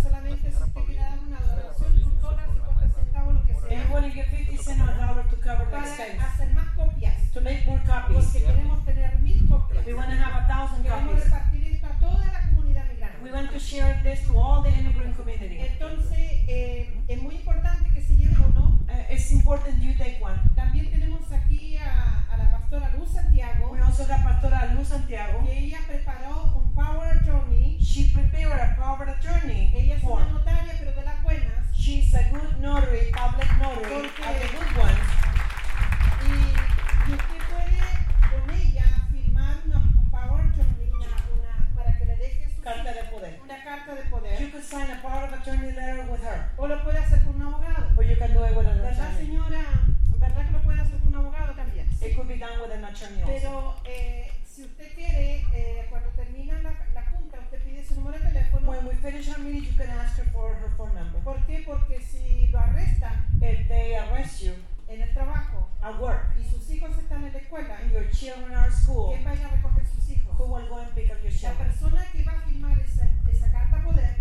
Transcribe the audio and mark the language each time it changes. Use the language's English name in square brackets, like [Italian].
[Spanish] Solamente si te quiere dar una donación, $1.50 lo que sea. [English] And we'll get $0.50 to cover the expense. [Spanish] Para hacer más copias. [English] To make more copies. [Spanish] Porque queremos tener 1,000 copias. [English] We want to have 1,000 copies. [Spanish] Queremos repartir esto a toda la comunidad migrante. [English] We want to share this to all the immigrant community. [Spanish] Entonces, es muy importante que se lleve uno. [English] It's important you take one. [Spanish] También tenemos aquí a la pastora Luz Santiago. [English] We also have pastora Luz Santiago. [Spanish] Que ella preparó un power attorney. [English] She prepared a power attorney. [Spanish] Ella es una notaria, pero de las buenas. [English] She's a good notary, public notary, [Spanish] porque [English] a good one. [Spanish] Y usted puede con ella firmar una power attorney, una para que le deje su carta de poder. Una carta de poder. [English] You could sign a power of attorney letter with her. [Spanish] O lo puede hacer con un abogado. ¿Verdad, señora? ¿Verdad que lo puede hacer con un abogado también? Sí. Pero si usted quiere, cuando termina la junta, usted pide su número de teléfono. [English] When we finish our meeting, you can ask her for her phone number. [Spanish] ¿Por qué? Porque si lo arrestan, [English] if they arrest you, [Spanish] en el trabajo, [English] at work, [Spanish] y sus hijos están en la escuela, [English] and your children are in school, [Spanish] ¿quién va a recoger sus hijos? [English] Who will go and pick up your children? [Spanish] La persona que va a firmar esa carta poder,